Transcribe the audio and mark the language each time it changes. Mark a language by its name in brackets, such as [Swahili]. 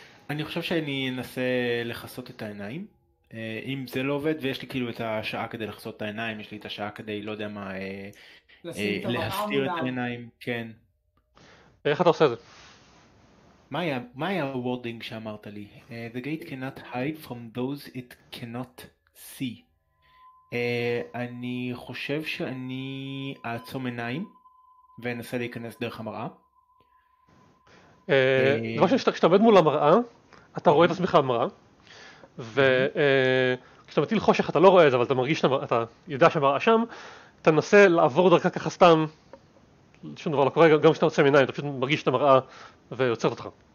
[Hebrew] אני חושב שאני אנסה לחסות את העיניים. אם זה לא עובד, ויש לי כאילו את השעה כדי לחסות את העיניים, יש לי את השעה כדי, לא יודע מה, להסתיר את העיניים, כן. איך אתה עושה את זה? מה היה הוורדינג שאמרת לי? [English] The gate cannot hide from those it cannot see. [Hebrew] אני חושב שאני אעצום עיניים, ואנסה להיכנס דרך המראה. כשאתה עומד מול המראה, אתה רואה את עצמך במראה, וכשאתה מטיל חושך אתה לא רואה את זה, אבל אתה מרגיש, אתה יודע שהמראה שם, אתה נסה לעבור דרכה ככה סתם, שום דבר לא קורה, גם כשאתה עוצם עיניים, אתה פשוט מרגיש את המראה ויוצר אותך.